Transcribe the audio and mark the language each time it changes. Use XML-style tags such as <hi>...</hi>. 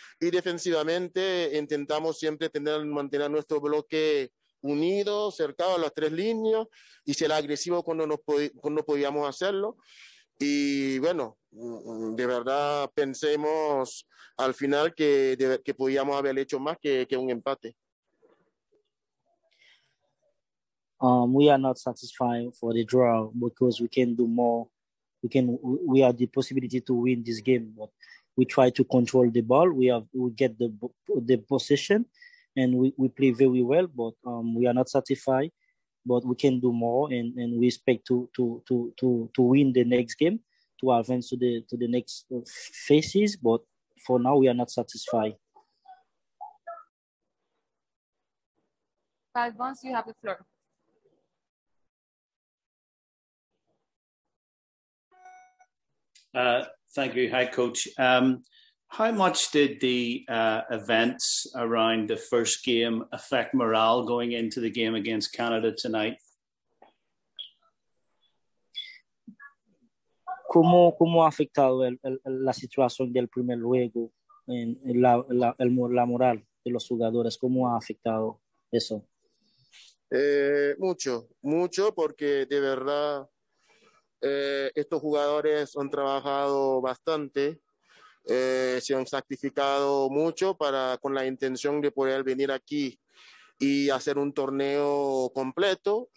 <es>Y defensivamente intentamos siempre mantener nuestro bloque unido, cercado a las tres líneas y ser agresivo cuando podíamos hacerlo. Y bueno, de verdad pensemos al final que podíamos haber hecho más que un empate.</es> <en>We are not satisfied for the draw because we can do more. We have the possibility to win this game, but we try to control the ball. We get the possession, and we play very well. But we are not satisfied. But we can do more, and we expect to win the next game to advance to the next phases. But for now, we are not satisfied. Five bonds, you have the floor. Thank you. Hi, coach. How much did the events around the first game affect morale going into the game against Canada tonight?</en> <es>¿Cómo ha afectado la situación del primer juego en la moral de los jugadores? ¿Cómo ha afectado eso? Mucho, mucho, porque de verdad. Estos jugadores han trabajado bastante, se han sacrificado mucho con la intención de poder venir aquí y hacer un torneo completo.</es>